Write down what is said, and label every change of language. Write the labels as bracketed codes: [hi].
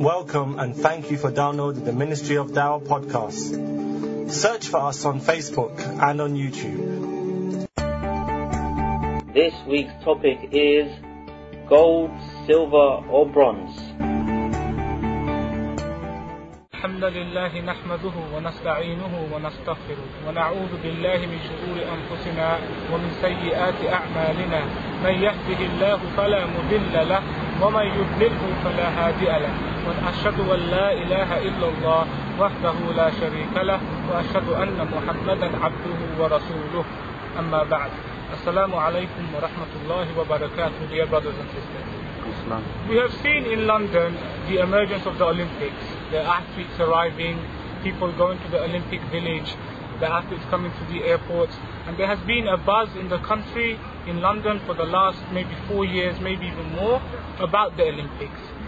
[en] Welcome and thank you for downloading the Ministry of Dawah podcast. Search for us on Facebook and on YouTube. This week's topic is gold, silver or bronze. [ar] الحمد لله نحمده ونستعينه ونستغفره ونعوذ بالله من شرور أنفسنا ومن سيئات أعمالنا من يهده الله فلا مضل له ومن يضلله فلا هادي له وأشهد أن لا إله إلا الله وحده لا شريك له وأشهد أن محمدا عبده ورسوله أما بعد السلام عليكم ورحمة الله وبركاته [en] dear brothers and sisters. We have seen in London the emergence of the Olympics, the athletes arriving, people going to the Olympic Village, the athletes coming to the airport, and there has been a buzz in the country, in London, for the last maybe 4 years, maybe even more, about the Olympics.